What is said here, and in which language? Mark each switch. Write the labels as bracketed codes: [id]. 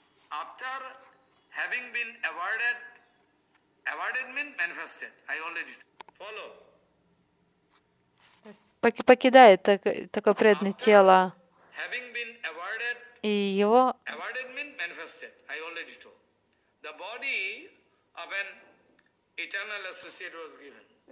[en] After having been awarded, awarded means manifested. I already follow. [ru] Покидает такое преданное тело. [en] Awarded, [ru] и его... [en] Awarded means manifested. I already told. The body of an eternal associate was given.